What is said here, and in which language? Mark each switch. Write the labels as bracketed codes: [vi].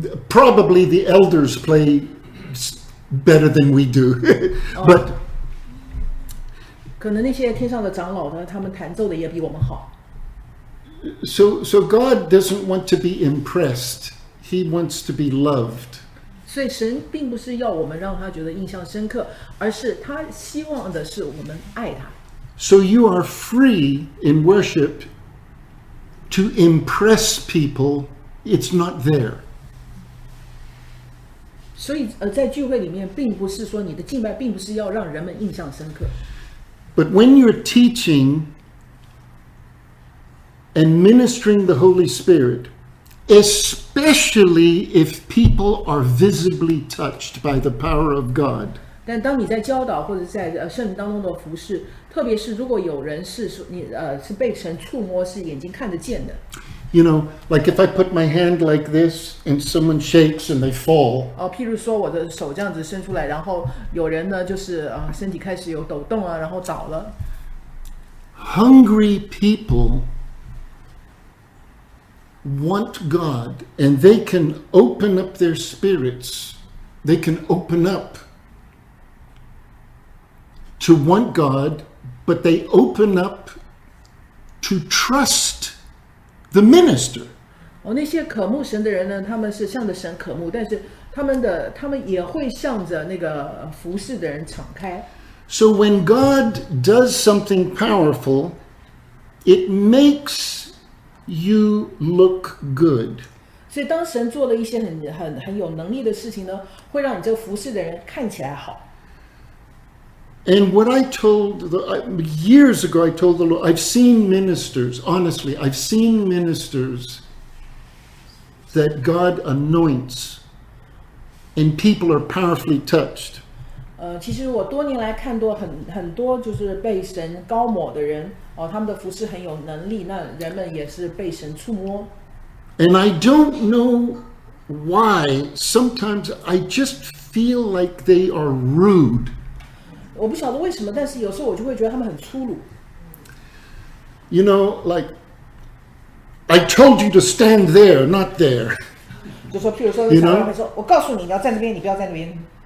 [en] Probably the elders play better than we do, but [zh] 可能那些天上的长老呢，他们弹奏的也比我们好。 [en] So God doesn't want to be impressed; He wants to be loved. [zh] 所以神并不是要我们让他觉得印象深刻，而是他希望的是我们爱他。 [en] So you are free in worship to impress people; it's not there. [zh] 所以在聚会里面并不是说你的敬拜并不是要让人们印象深刻。 [en] But when you're teaching and ministering the Holy Spirit, especially if people are visibly touched by the power of God. [zh] 但当你在教导或者在圣灵当中的服事，特别是如果有人是你是被神触摸，是眼睛看得见的。 [en] You know, like if I put my hand like this and someone shakes and they fall. [zh] 哦，譬如说我的手这样子伸出来，然后有人呢就是身体开始有抖动啊，然后倒了。 [en] Hungry people. Want God, and they can open up their spirits. They can open up to want God, but they open up to trust the minister. [zh] 哦，那些渴慕神的人呢？他们是向着神渴慕，但是他们也会向着那个服事的人敞开。 [en] So when God does something powerful, it makes. You look good. [zh] 所以当神做了一些很有能力的事情呢，会让你这个服事的人看起来好。 [en] And what I told the years ago, I told the Lord, I've seen ministers. Honestly, I've seen ministers that God anoints, and people are powerfully touched. [zh] 其实我多年来看到很多就是被神膏抹的人。哦，他们的服事很有能力，那人们也是被神触摸。 [en] And I don't know why. Sometimes I just feel like they are rude. [zh] 我不晓得为什么，但是有时候我就会觉得他们很粗鲁。 [en] You know, like I told you to stand there, not there. [zh] 就说，譬如说，常常会说，我告诉你，你要在那边，你不要在那边。